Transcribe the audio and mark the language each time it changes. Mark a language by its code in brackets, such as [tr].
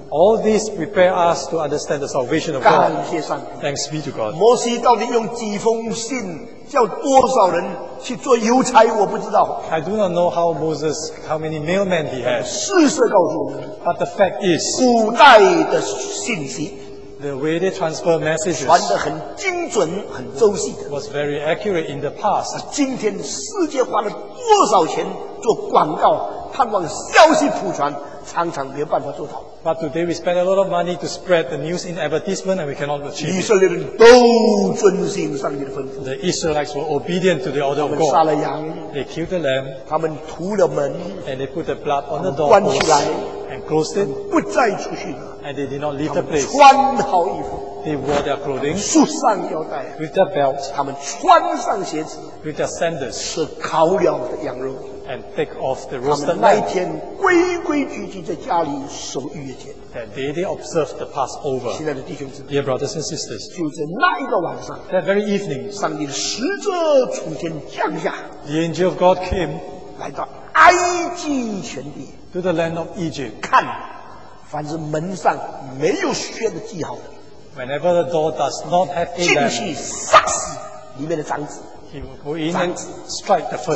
[en] All these prepare us to understand the salvation of God. [zh] 感谢上帝。 [en] Thanks be to God. [zh] 摩西到底用几封信叫多少人去做邮差我不知道。 [en] I do not know how Moses, how many mailmen he had. [zh] 事实告诉我们。 [en] But the fact is, [zh] 古代的信息, [en] the way they transfer messages [zh] 传得很精准, 很周细的, [en] was very accurate in the past. [zh] 今天世界花了多少钱做广告, 盼望消息普传, 常常没有办法做到。 [en] But today we spend a lot of money to spread the news in advertisement and we cannot achieve it. [zh] 以色列人都遵行上帝的吩咐。 [en] The Israelites were obedient to the order of God. [zh] 他们杀了羊, [en] they killed the lamb. [zh] 他们涂了门, [en] and they put the blood on the doorpost. And closed it. [zh] 他们不再出去, [en] and they did not leave the place. [zh] 他们穿好衣服, [en] they wore their clothing. [zh] 束上腰带, [en] with their belt. [zh] 他们穿上鞋子, [en] with their sandals. [zh] 吃烤了的羊肉, [en] and take off the roasted lamb. [zh] 他们那一天规规矩矩在家里守逾越节。 [en] That day they observed the Passover. [zh] 亲爱的弟兄姊妹, [en] dear brothers and sisters, [zh] 就在那一个晚上, [en] that very evening, [zh] 上帝的使者从天降下, [en] the angel of God came, [zh] 来到埃及全地, [en] to the land of Egypt. [zh] 看, 凡是门上没有血的记号, [en] whenever the door does not have a lamb, [zh] 进去杀死里面的长子, [en] he will go in and strike the first